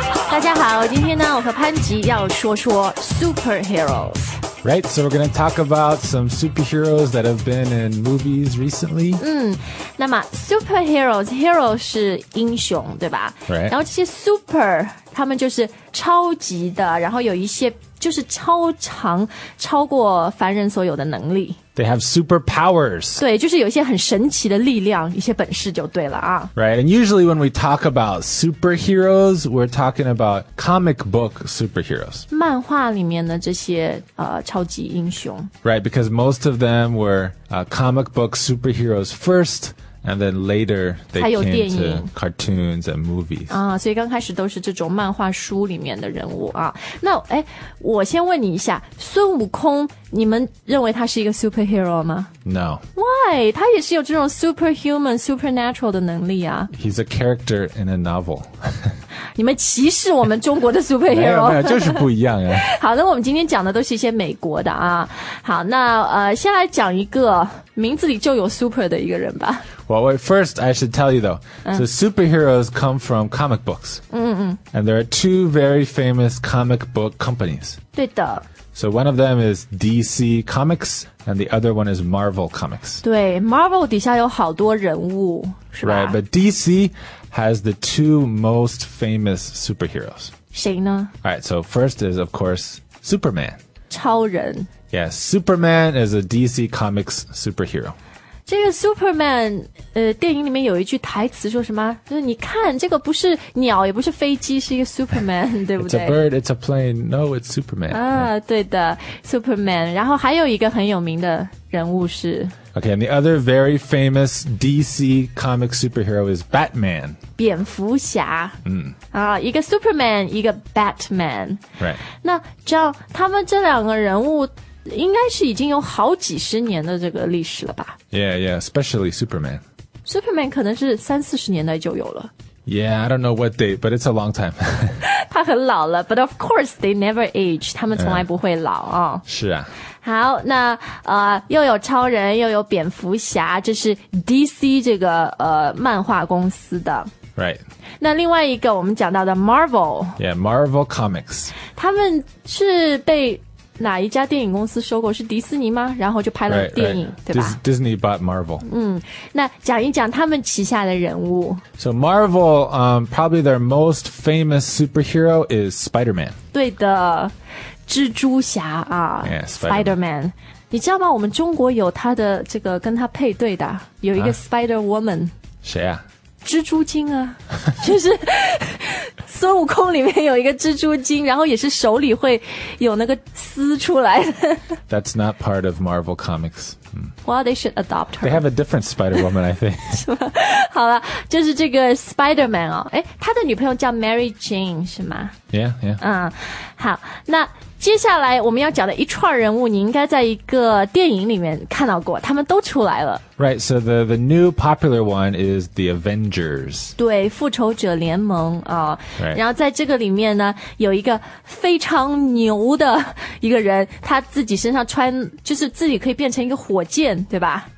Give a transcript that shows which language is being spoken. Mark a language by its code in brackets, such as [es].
[zh] 大家好，今天呢，我和潘吉要说说 superheroes。 [en] Right, so we're going to talk about some superheroes that have been in movies recently. [zh] 那么 superheroes, hero 是英雄对吧 [en] Right. [zh] 然后这些 super, 他们就是超级的然后有一些就是超常超过凡人所有的能力 [en] They have superpowers. [zh] 对就是有一些很神奇的力量一些本事就对了啊 [en] Right, and usually when we talk about superheroes, we're talking about comic book superheroes. [zh] 漫画里面的这些、超级英雄 [en] Right, because most of them were、comic book superheroes first,And then later, they came to cartoons and movies. [zh] 啊，所以刚开始都是这种漫画书里面的人物啊。那，哎，我先问你一下，孙悟空，你们认为他是一个 superhero 吗 [en] ？No. Why? [zh] 他也是有这种 superhuman, supernatural 的能力啊。 [en] He's a character in a novel. [zh] 你们歧视我们中国的 superhero? 没有，没有，就是不一样啊。好，那我们今天讲的都是一些美国的啊。好，那先来讲一个名字里就有 super 的一个人吧。 [en] Well, wait, first, I should tell you, though.、So superheroes come from comic books. And there are two very famous comic book companies. [zh] 对的。 [en] So one of them is DC Comics, and the other one is Marvel Comics. [zh] 对 ,Marvel 底下有好多人物是吧 [en] Right, but DC has the two most famous superheroes. [zh] 谁呢 [en] Alright, so first is, of course, Superman. [zh] 超人。 [en] Yes, Superman is a DC Comics superhero. [zh] 这个 Superman 电影里面有一句台词说什么就是你看这个不是鸟也不是飞机是一个 Superman 对不对 [en] It's a bird, it's a plane, no, it's Superman [zh] 啊，对的 Superman 然后还有一个很有名的人物是 [en] Okay, and the other very famous DC comic superhero is Batman [zh] 蝙蝠侠、一个 Superman 一个 Batman、 [en] right. [zh] 那这样他们这两个人物应该是已经有好几十年的这个历史了吧 [en] Yeah, yeah, especially Superman. [zh] Superman 可能是三四十年代就有了 [en] Yeah, I don't know what date, but it's a long time. [zh] 他很老了 [en] but of course they never age. [zh] 他们从来不会老啊、是啊。好那又有超人又有蝙蝠侠这是 DC 这个漫画公司的。 [en] Right. [zh] 那另外一个我们讲到的 Marvel. [en] Yeah, Marvel Comics. [zh] 他们是被哪一家电影公司收购是迪士尼吗然后就拍了电影 [en] right, right. [zh] 对吧 [en] Disney bought Marvel [zh] 那讲一讲他们旗下的人物 [en] So Marvel、probably their most famous superhero is Spider-Man [zh] 对的蜘蛛侠啊 [en] yeah, Spider-Man [zh] 你知道吗我们中国有他的这个跟他配对的有一个 Spider-Woman 谁啊蜘蛛精啊就是孙悟空里面有一个蜘蛛精然后也是手里会有那个丝出来的 [en] That's not part of Marvel Comics、 Well, they should adopt her They have a different Spider-Woman, I think [zh] 是吧好了就是这个 Spider-Man 哦他的女朋友叫 Mary Jane 是吗 [en] Yeah, yeah、 [zh] 好那接下来我们要讲的一串人物你应该在一个电影里面看到过他们都出来了 [en] Right, so the new popular one is the Avengers [zh] 对复仇者联盟、 [en] right. [zh] 然后在这个里面呢有一个非常牛的一个人他自己身上穿就是自己可以变成一个火箭对吧